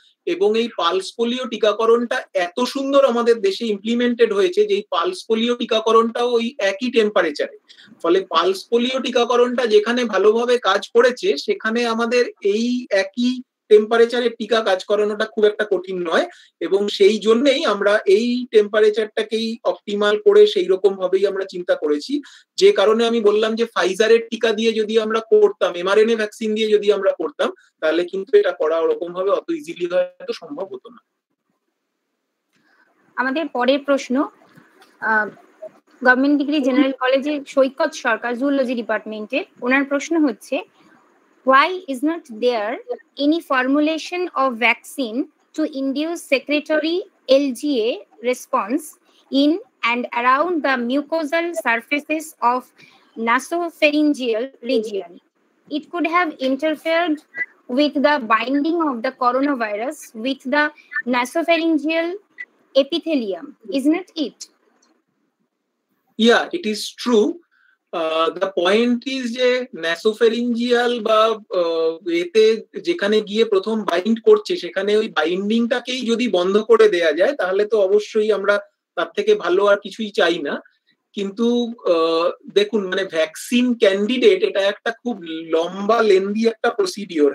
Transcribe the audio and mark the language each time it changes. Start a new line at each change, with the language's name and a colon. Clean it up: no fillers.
Bangla: এবং এই pulse polio টিকাকরণটা এত সুন্দর আমাদের দেশে ইমপ্লিমেন্টেড হয়েছে যে এই পালস পোলিও টিকাকরণটাও ওই একই টেম্পারেচারে, ফলে পালস পোলিও টিকাকরণটা যেখানে ভালোভাবে কাজ করেছে সেখানে আমাদের এই একই টেম্পারেচারের টিকা কাজ করানোটা খুব একটা কঠিন নয়, এবং সেই জন্যই আমরা এই টেম্পারেচারটাকেই অপটিমাল করে সেই রকম ভাবেই আমরা চিন্তা করেছি। যে কারণে আমি বললাম যে ফাইজারের টিকা দিয়ে যদি আমরা করতাম, mRNA ভ্যাকসিন দিয়ে যদি আমরা করতাম, তাহলে কিন্তু এটা করা ওরকম ভাবে অত ইজিলি হয়তো সম্ভব হতো না। আমাদের পরের প্রশ্ন, গভর্নমেন্ট ডিগ্রি জেনারেল কলেজে সৈকত সরকার জুলজি ডিপার্টমেন্টে, ওনার প্রশ্ন হচ্ছে
English: Why is not there any formulation of vaccine to induce secretory LGA response in and around the mucosal surfaces of nasopharyngeal region? It could have interfered with the binding of the coronavirus with the nasopharyngeal epithelium, isn't it? Yeah, it is true. The point is
Bangla: যে ন্যাসোফেরিঞ্জিয়াল বা এতে যেখানে গিয়ে প্রথম bind করছে সেখানে ওই বাইন্ডিংটাকেই যদি বন্ধ করে দেয়া যায় তাহলে তো অবশ্যই আমরা তার থেকে ভালো আর কিছুই চাই না। কিন্তু দেখুন, মানে ভ্যাকসিন ক্যান্ডিডেট এটা একটা খুব লম্বা লেন্দি একটা প্রসিডিওর।